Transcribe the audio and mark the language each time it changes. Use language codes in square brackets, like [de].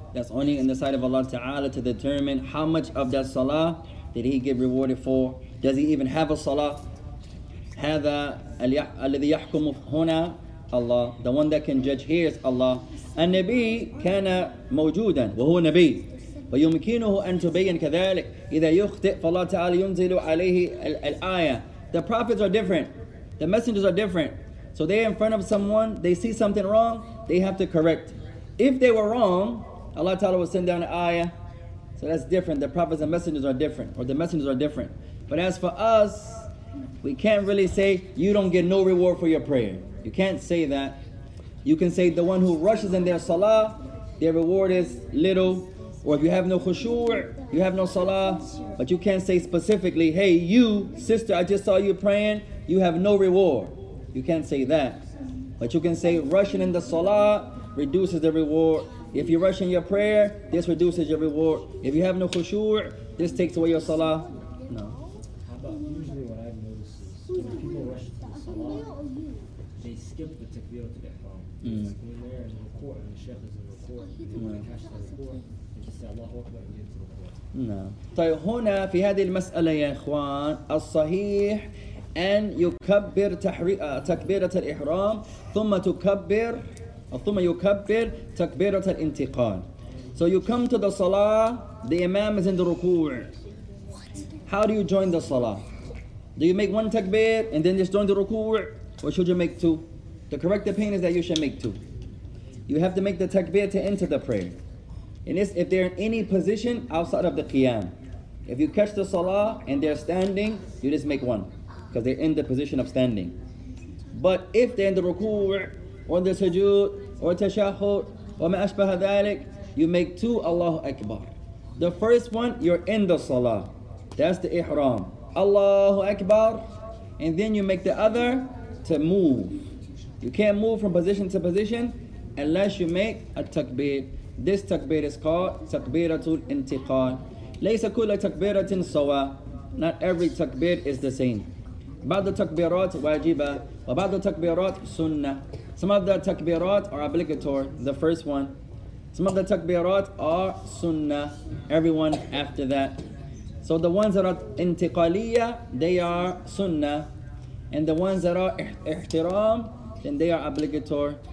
[en] That's only in the sight of Allah Ta'ala to determine how much of that salah did he get rewarded for. Does he even have a salah? [ar] هذا الذي يحكم هنا الله. [en] The one that can judge here is Allah. [ar] النبي كان موجودا وهو نبي ويمكنه أن تبين كذلك إذا يخطئ فالله تعالى ينزل عليه الآية. [en] The prophets are different. The messengers are different. So they're in front of someone, they see something wrong, they have to correct. If they were wrong, Allah Ta'ala will send down an ayah. So that's different. The prophets and messengers are different. Or the messengers are different. But as for us, we can't really say, you don't get no reward for your prayer. You can't say that. You can say the one who rushes in their salah, their reward is little. Or if you have no khushu', you have no salah. But you can't say specifically, hey, you, sister, I just saw you praying, you have no reward. You can't say that. But you can say rushing in the salah reduces the reward. If you rush in your prayer, this reduces your reward. If you have no khushu', this takes away your salah. No. How about usually what I've noticed is when people rush to the salah, they skip the takbirah to get home. Mm. Like when there is a rukur and the sheikh is in rukur, they want to catch the rukur, they just say Allahu Akbar and get to rukur. No. [ar] طيب هنا في هذه المسألة يا إخوان الصحيح أن يكبر تكبيرة الإحرام ثم تكبر ثم يكبر تكبيرة الانتقال. [en] So you come to the salah, the imam is in the ruku'. How do you join the salah? Do you make one takbir and then just join the ruku'? Or should you make two? The correct opinion is that you should make two. You have to make the takbir to enter the prayer. And this, if they're in any position outside of the qiyam. If you catch the salah and they're standing, you just make one. Because they're in the position of standing. But if they're in the ruku', or the sujood, or tashahud, or ma ashbaha dhalik, you make two Allahu Akbar. The first one, you're in the salah. That's the ihram. Allahu Akbar. And then you make the other to move. You can't move from position to position unless you make a takbir. This takbir is called takbiratul intiqal. [ar] ليس كل تكبيرة سوى. [en] Not every takbir is the same. [ar] بعض التكبيرات واجبة وبعض التكبيرات سنة. [en] Some of the takbirat are obligatory, the first one. Some of the takbirat are sunnah, everyone after that. So the ones that are intiqaliyah, they are sunnah. And the ones that are ihtiram, then they are obligatory.